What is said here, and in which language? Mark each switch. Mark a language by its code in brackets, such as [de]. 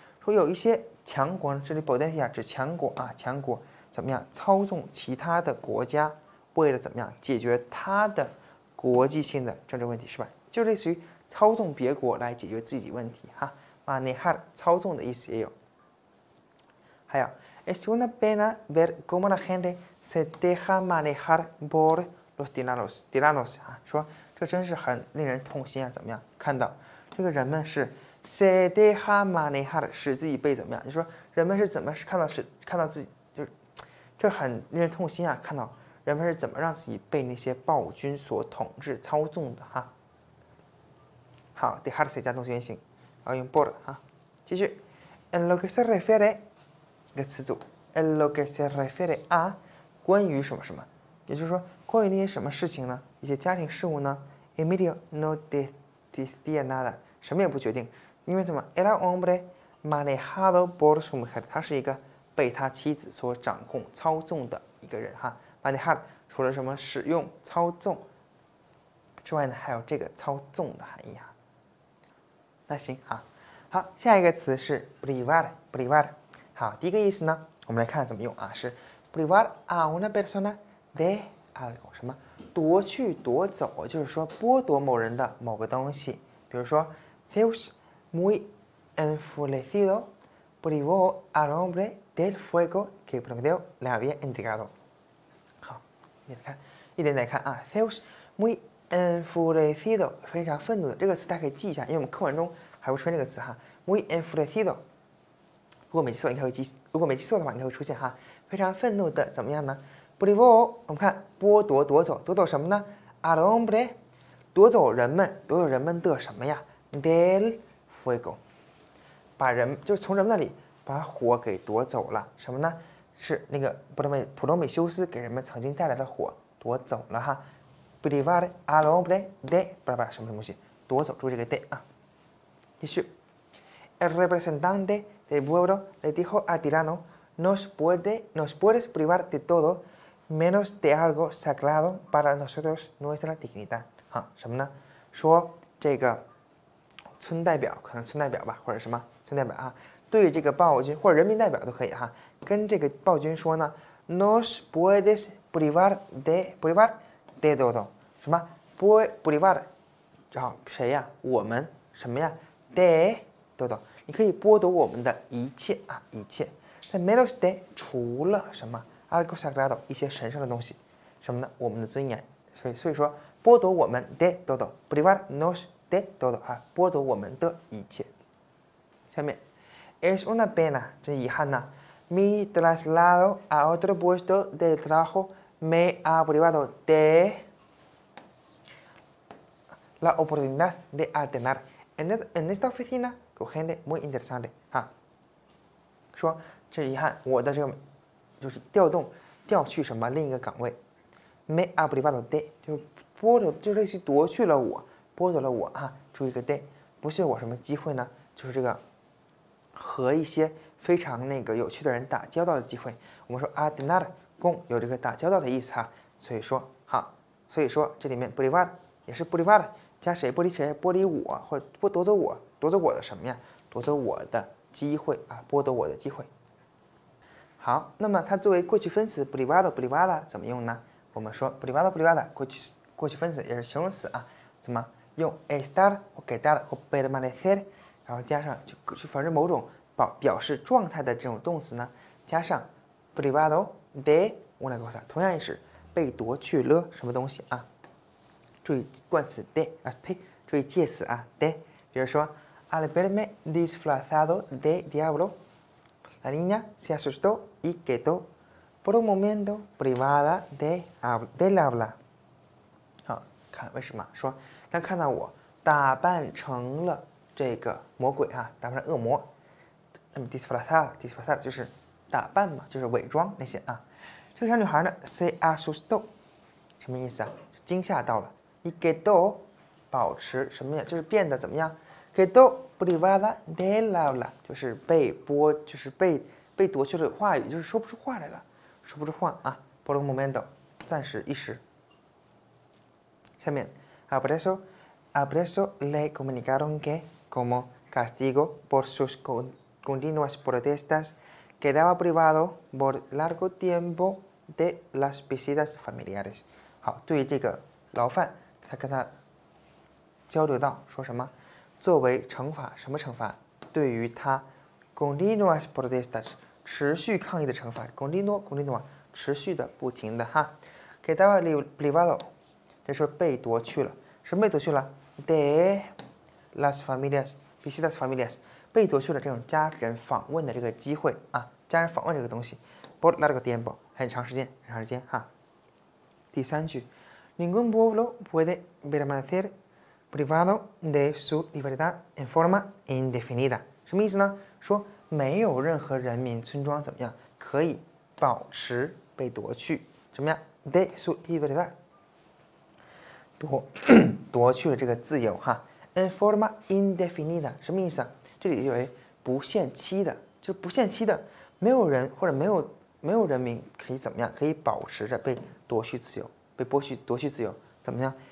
[zh] 说有一些强国，这里 potencia 指强国啊，强国怎么样操纵其他的国家，为了怎么样解决他的国际性的政治问题，是吧？就类似于操纵别国来解决自己问题哈。 manejar 操纵的意思也有，还有。 [es] Es una pena ver cómo la gente se deja manejar por los tiranos 啊， [zh] 说这真是很令人痛心啊！怎么样？看到这个人们是 [es] se deja manejar [zh] 使自己被怎么样？就说人们是怎么看到是看到自己就是这很令人痛心啊！看到人们是怎么让自己被那些暴君所统治操纵的哈。好，dejarse 加动词原形，然后用 por 啊，继续。 [es] En lo que se refiere [zh] 一个词组 ， [es] en lo que se refiere a， [zh] 关于什么什么，也就是说，关于那些什么事情呢？一些家庭事务呢 ？ [es] Emilio no decidía nada， [zh] 什么也不决定，因为什么 ？ [es] Era un hombre manejado por su mujer， [zh] 他是一个被他妻子所掌控、操纵的一个人哈。 manejar 除了什么使用、操纵之外呢，还有这个操纵的含义哈。那行哈，好，下一个词是 privar，privar。好，第一个意思呢，我们来看怎么用啊，是 [es] privar a una persona de algo [zh] 什么，夺去、夺走，就是说剥夺某人的某个东西，比如说 [es] feels muy enfurecido privó al hombre del fuego que prometió le había entregado。 [zh] 你看，一点点看啊 ， [es] feels muy enfurecido [zh] 非常愤怒的这个词，大家可以记一下，因为我们课文中还会出现这个词哈 ， [es] muy enfurecido。 [zh] 如果没记错的话，应该会出现哈，非常愤怒的怎么样呢 ？privó， 我们看剥夺、夺走，夺走什么呢 ？ [es] al hombre， [zh] 夺走人们，夺走人们的什么呀 ？ [es] del fuego， [zh] 把人就是从人们那里把火给夺走了，什么呢？是那个普罗米修斯给人们曾经带来的火夺走了哈 ， [es] privar al hombre de [zh] 巴拉巴拉什么什么东西夺走，注意这个 de 啊。 [es] 继续 ，el representante del pueblo le dijo a Tirano, nos puedes privar de todo menos de algo sagrado para nosotros nuestra dignidad [zh] 哈，什么呢？说这个村代表，可能村代表吧，或者什么村代表啊，对这个暴君或者人民代表都可以哈。跟这个暴君说呢 ， [es] nos puedes privar de todo [zh] 什么 privar， 然后谁呀？我们什么呀 ？ [es] de todo [zh] 你可以剥夺我们的一切啊，一切。但 [es] menos de [zh] 除了什么 ？ [es] algo sagrado [zh] 一些神圣的东西，什么呢？我们的尊严。所以说，剥夺我们 [es] de todo privar nos de todo [zh] 啊，剥夺我们的一切。 [es] 下面 ，es una pena [zh] 真遗憾呢。 [es] Mi traslado a otro puesto de trabajo me ha privado de la oportunidad de alternar en esta oficina con gente muy interesante. [zh] 哈，说这遗憾，我的这个就是调去什么另一个岗位 ， [es] me ha privado de [zh] 就剥夺，就类似夺去了我，剥夺了我哈。注意个 de， 不是我什么机会呢？就是这个和一些。非常那个有趣的人打交道的机会，我们说 adnar 共有这个打交道的意思哈，所以说好，所以说这里面 privar 也是 privar 加谁剥离谁，剥离我或不夺走我，夺走我的什么呀？夺走我的机会啊，剥夺我的机会。好，那么它作为过去分词 privado 怎么用呢？我们说 privado 过去分词也是形容词啊，怎么用 estar 或 quedar 或 permanecer， 然后加上去反正某种。表示状态的这种动词呢，加上 [es] privado de una cosa， [zh] 同样也是被夺去了什么东西啊？注意冠词 de 啊，呸，注意介词啊 de。比如说 [es] ，al verme disfrazado de diablo， la niña se asustó y quedó por un momento privada del habla。 [zh] 好，看为什么说他看到我打扮成了这个魔鬼啊，打扮成恶魔。 disfrazar 就是打扮嘛，就是伪装那些啊。这个小女孩呢 ，se asustó， 什么意思啊？惊吓到了。 [es] y quedó [zh] 保持什么呀？就是变得怎么样 ？ [es] quedó privada de la habla， [zh] 就是被剥，就是被夺去了话语，就是说不出话来了，说不出话啊。 [es] por un momento， [zh] 暂时一时。 下面 [es] ，apresó le comunicaron que como castigo por sus continuas protestas quedaba privado por largo tiempo de las visitas familiares。 [zh] 好，对于这个牢犯，他跟他交流到说什么，作为惩罚，什么惩罚？对于他 [es] continuas protestas [zh] 持续抗议的惩罚， continua 持续的不停的哈， [es] quedaba privado [zh] 就是被夺去了，什么被夺去了？ [es] de las familias visitas [zh] familias被夺去了这种家人访问的这个机会啊，家人访问这个东西 ， [es] por largo tiempo [zh] 很长时间哈。第三句 [es] ，ningún pueblo puede permanecer privado de su libertad en forma indefinida， [zh] 什么意思呢？说没有任何人民村庄怎么样可以保持被夺去怎么样 [es] de su libertad [zh] 夺去了这个自由哈 ， [es] en forma indefinida [zh] 什么意思啊？这里就为不限期的，就是不限期的，没有人或者没有人民可以怎么样，可以保持着被夺取自由，被剥削夺取自由，怎么样？